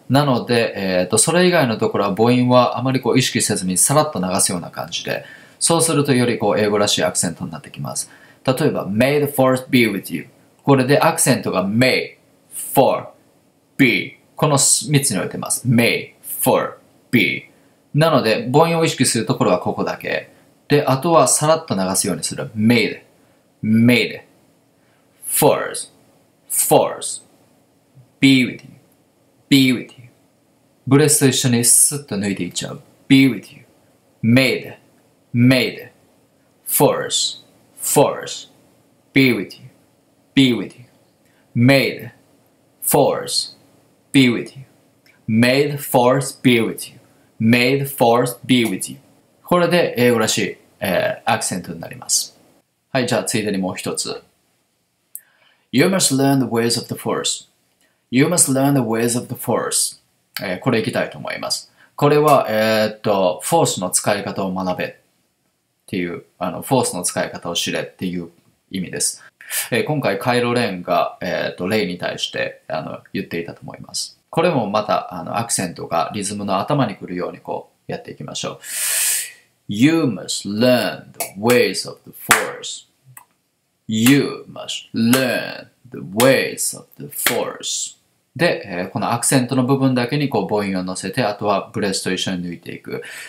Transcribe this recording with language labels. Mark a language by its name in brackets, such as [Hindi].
[Japanese] なので、それ以外のところは母音はあまりこう意識せずにさらっと流すような感じで、そうするとよりこう英語らしいアクセントになってきます。例えば、 [English] May the force be with you. [Japanese] これでアクセントが [English] May, for, be. [Japanese] この3つに置いてます。 [English] May, for, be. [Japanese] なので、母音を意識するところはここだけ。で、あとはさらっと流すようにする。 [English] Made, made, force, force, be with you, be with you. [Japanese] ブレスと一緒にスッと抜いていっちゃう。 [English] Be with you, made. Made, force, force, be with you, be with you. Made, force, be with you. Made, force, be with you. Made, force, be with you. [Japanese] これで英語らしい、アクセントになります。はい、じゃあついでにもう一つ。 [English] You must learn the ways of the force. You must learn the ways of the force.、 [Japanese] これいきたいと思います。これは、フォースの使い方を学べ。っていう、フォースの使い方を知れっていう意味です。今回、カイロ・レンが、レイに対して、言っていたと思います。これもまた、アクセントがリズムの頭に来るように、こう、やっていきましょう。 [English] You must learn the ways of the force.You must learn the ways of the force. [Japanese] で、このアクセントの部分だけに、こう、母音を乗せて、あとは、ブレスと一緒に抜いていく。